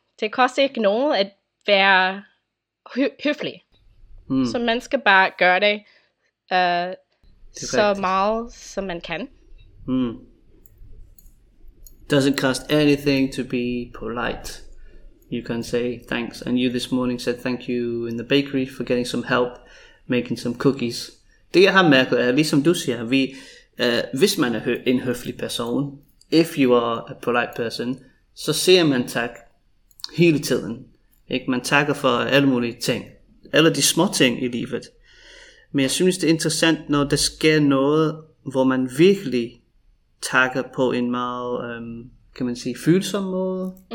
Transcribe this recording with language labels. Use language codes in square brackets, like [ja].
[da] Det koster ikke nogen at være høflig. Så man skal bare gøre det, så meget som man kan. [en] Doesn't cost anything to be polite. You can say thanks. And you this morning said thank you in the bakery for getting some help making some cookies. [da] Det jeg har mærket er, ligesom du siger, hvis man er en høflig person, [en] if you are a polite person, [da] så siger man tak hele tiden. Ikke? Man takker for alle mulige ting, alle de små ting i livet. Men jeg synes, det er interessant, når der sker noget, hvor man virkelig takker på en meget, kan man sige, følsom måde.